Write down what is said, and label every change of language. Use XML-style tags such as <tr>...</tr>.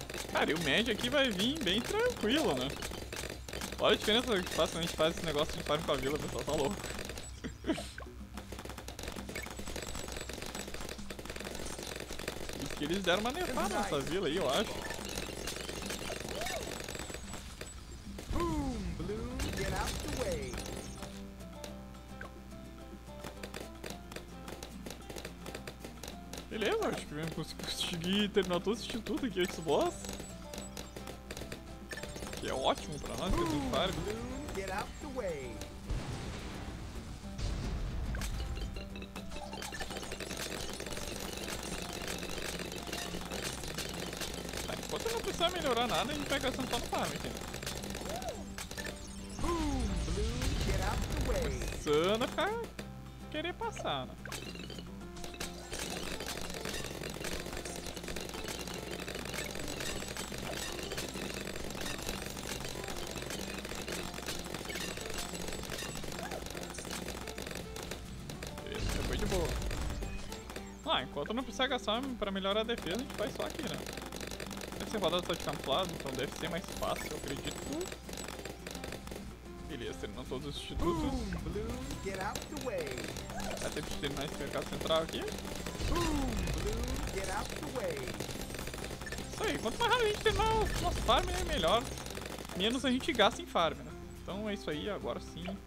<pt>Cara, e o médio aqui vai vir bem tranquilo, né? Olha a diferença que faz quando a gente faz esse negócio de farm com a vila, pessoal, tá louco. Eles deram uma nefada nessa vila aí, eu acho.</pt> <en>Boom, Bloom, get out the way.</en> <pt>Beleza, acho que eu consegui terminar todo esse instituto aqui antes do boss. Que é ótimo pra nós, Boom, que é tudo fire.</pt> <en>Bloom, get out the way.</en> <pt>Se não melhorar nada, a gente vai gastando só no farm aqui.</pt> <en>Boom, Bloom, get out the way.</en> <pt>Começando a ficar... querer passar, né? Beleza, foi de boa. Ah, enquanto não precisar gastar pra melhorar a defesa, a gente faz só aqui, né? Essa rodada está de camuflado, então deve ser mais fácil, eu acredito. Beleza, terminou todos os institutos.</pt> <en>Boom, Bloom, get out the way.</en> <pt>Vai ter que terminar esse mercado central aqui.</pt> <en>Boom, Bloom, get out the way.</en> <pt>Isso aí, quanto mais rápido a gente terminar o nosso farm, melhor. Menos a gente gasta em farm, né? Então é isso aí, agora sim.</pt>